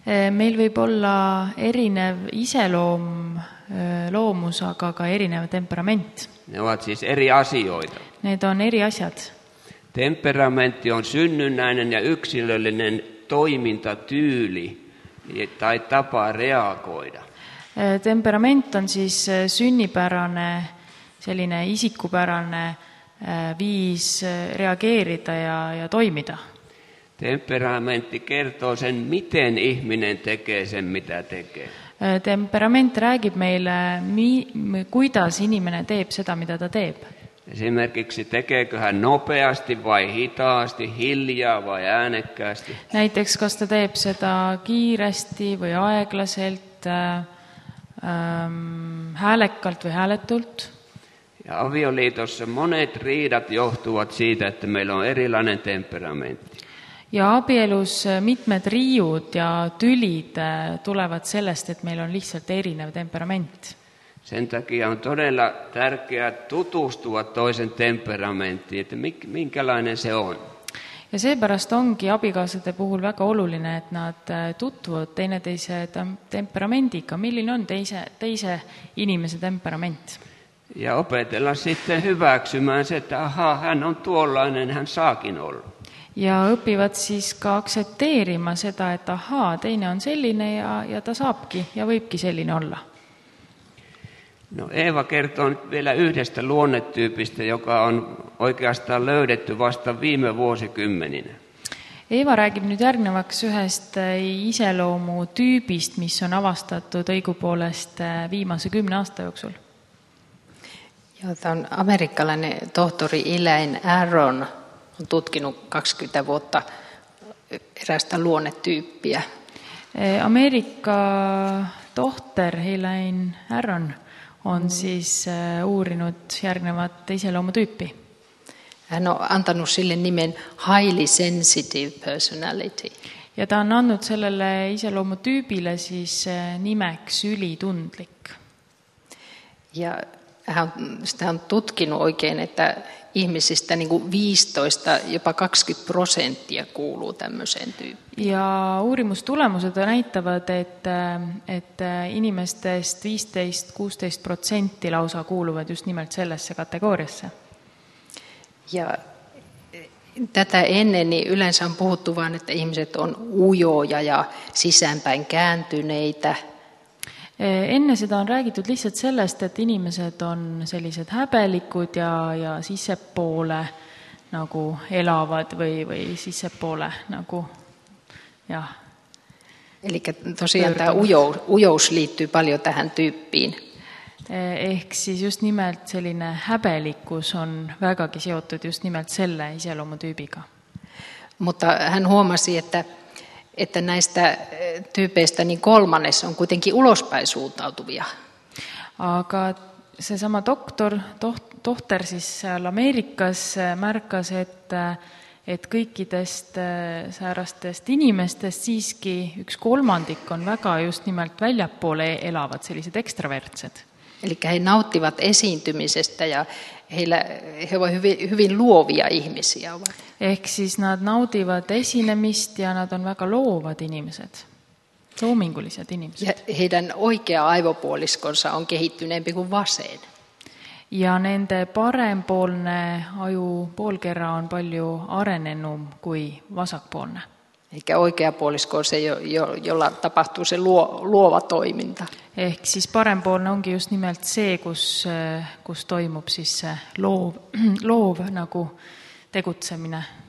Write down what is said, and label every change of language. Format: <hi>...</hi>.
<et>Meil võib olla erinev iseloom, loomus, aga ka erinev temperament.</et> <fi>Ne ovat siis eri asioita.</fi> <et>Need on eri asjad.</et> <fi>Temperamentti on synnynnäinen ja yksilöllinen toimintatyyli tai tapa reagoida.</fi> <et>Temperament on siis sünnipärane, selline isikupärane viis reageerida ja toimida.</et> <fi>Temperamentti kertoo sen, miten ihminen tekee sen, mitä tekee.</fi> <et>Temperament räägib meile, kuidas inimene teeb seda, mida ta teeb.</et> <fi>Esimerkiksi tekeekö hän nopeasti vai hitaasti, hiljaa vai äänekkäästi?</fi> <et>Näiteks, kas ta teeb seda kiiresti või aeglaselt, häälekalt või hääletult?</et> <fi>Ja avioliitossa monet riidat johtuvat siitä, että meillä on erilainen temperamentti.</fi> <et>Ja abielus mitmed riiud ja tülid tulevad sellest, et meil on lihtsalt erinev temperament.</et> <fi>Sen takia on todella tärkeää tutustua toisen temperamentti, et minkälainen se on.</fi> <et>Ja seepärast ongi abikaasade puhul väga oluline, et nad tutvuvad teine teise temperamentiga. Milline on teise inimese temperament?</et> <fi>Ja opetella sitten hyväksymään se, et ahaa, hän on tuollainen, hän saakin olla.</fi> <et>Ja õpivad siis ka aksepteerima seda, et ahaa, teine on selline ja ta saabki ja võibki selline olla.</et> <fi>No Eeva kertoo nyt vielä yhdestä luonnetyypistä, joka on oikeastaan löydetty vasta viime vuosikymmeninä.</fi> <et>Eeva räägib nyt järgnevaks ühest iseloomutyypist, mis on avastatud õigupoolest viimase 10 aasta jooksul.</et> <fi>Ja ta on amerikkalainen tohtori Elaine Aron. On tutkinut 20 vuotta erästä luonnetyyppiä.</fi> <et>Amerikka tohter Elaine Aron on siis uurinud järgnevat iseloomutüüpi.</et> <fi>Hän on antanut sille nimen</fi> <en>highly sensitive personality.</en> <et>Ja ta on annud sellele iseloomutüübile siis nimeks ülitundlik.</et> <fi>Ja hän on tutkinut oikein, että ihmisistä niin kuin 15, jopa 20% kuuluu tämmöiseen tyyppiin.</fi> <et>Ja uurimustulemused näitavad, et inimestest 15-16% lausa kuuluvad just nimelt sellesse kategooriasse.</et> <fi>Ja tätä ennen niin yleensä on puhuttu vaan, että ihmiset on ujoja ja sisäänpäin kääntyneitä.</fi> <et>Enne seda on räägitud lihtsalt sellest, et inimesed on sellised häbelikud ja sissepoole nagu elavad või sissepoole nagu ja.</et> <fi>Eli tosiaan tämä ujous liittyy paljon tähän tyyppiin.</fi> <et>Ehk siis just nimelt selline häbelikus on vägagi seotud just nimelt selle iseloomutüübiga.</et> <fi>Mutta hän huomasi, että näistä tyypeistä niin kolmannes on kuitenkin ulospäin suuntautuvia.</fi> <et>Aga see sama tohter siis Ameerikas märkas, et kõikidest säärastest inimestest siiski üks kolmandik on väga just nimelt väljapoole elavad sellised ekstravertsed.</et> <fi>Eli he nauttivat esiintymisestä ja he ovat hyvin, hyvin luovia ihmisiä.</fi> <et>Ehk siis nad nautivat esinemist ja nad on väga loovad inimesed, loomingulised inimesed.</et> <fi>Ja heidän oikea aivopuoliskonsa on kehittyneempi kuin vasen.</fi> <et>Ja nende parempoolne ajupoolkera on palju arenenum kuin vasakpoolne.</et> <fi>Eikä oikea puolisko on se, jolla tapahtuu se luova toiminta.</fi> <et>Ehk siis parempoolne onkin just nimelt see, kus toimub siis se loov nagu tegutseminen.</et>